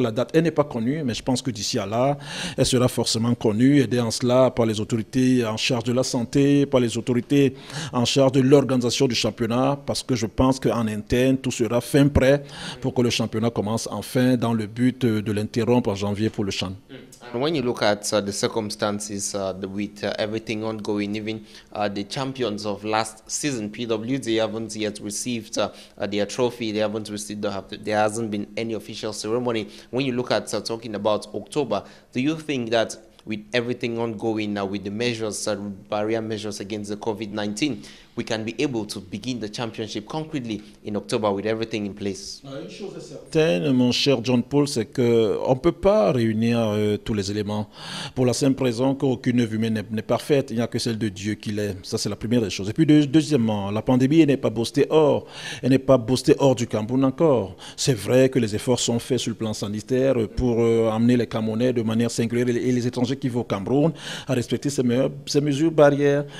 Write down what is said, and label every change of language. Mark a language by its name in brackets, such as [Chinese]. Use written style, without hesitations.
[French] La date, elle n'est pas connue, mais je pense que d'ici à là, elle sera forcément connue, aidée en cela par les autorités en charge de la santé, par les autorités en charge de l'organisation du championnat, parce que je pense qu'en interne, tout sera fin prêt pour que le championnat commence enfin dans le but de l'interrompre en janvier pour le CHAN. [English] When you look at the circumstances with everything ongoing, even the champions of last season, PWD, haven't yet received their trophy. They haven't received, there hasn't been any official ceremony. When you look at talking about October, do you think that with everything ongoing now, with the measures, barrier measures against the COVID-19, we can be able to begin the championship concretely in October with everything in place? [French] Une chose est certaine, mon cher John Paul, c'est qu'on ne peut pas réunir tous les éléments pour la simple raison qu'aucune œuvre humaine n'est parfaite. Il n'y a que celle de Dieu qui l'est. Ça, c'est la première des choses. Et puis, deuxièmement, la pandémie n'est pas boostée hors. Elle n'est pas boostée hors du Cameroun encore. C'est vrai que les efforts sont faits sur le plan sanitaire pour amener les Camerounais de manière singulière et les étrangers qui vont au Cameroun à respecter ces mesures barrières.